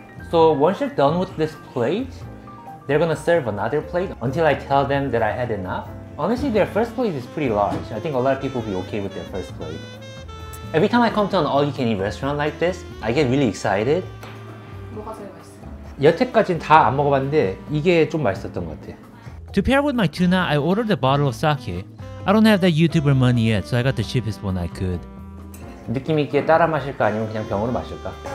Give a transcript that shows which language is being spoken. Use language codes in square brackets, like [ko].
[en] So once you're done with this plate, they're gonna serve another plate until I tell them that I had enough. Honestly, their first plate is pretty large. I think a lot of people will be okay with their first plate. Every time I come to an all-you-can-eat restaurant like this, I get really excited. [ko] 뭐가 제일 맛있어요? 여태까지는 다 안 먹어봤는데 이게 좀 맛있었던 것 같아. [en] To pair with my tuna, I ordered a bottle of sake. I don't have that YouTuber money yet, so I got the cheapest one I could. [ko] 느낌 있게 따라 마실까 아니면 그냥 병으로 마실까?